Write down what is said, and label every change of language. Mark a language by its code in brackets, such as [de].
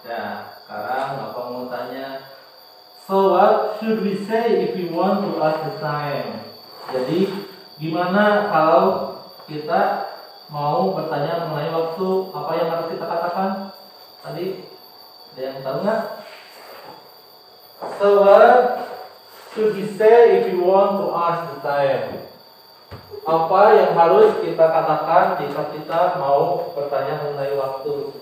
[id] Nah, sekarang Bapak mau tanya. [en] So, what should we say if we want to ask the time? [id] Jadi, gimana kalau kita mau bertanya mengenai waktu, apa yang harus kita katakan tadi? Ada yang tahu nggak? [en] So, what should we say if we want to ask the time? [id] Apa yang harus kita katakan jika kita mau bertanya mengenai waktu?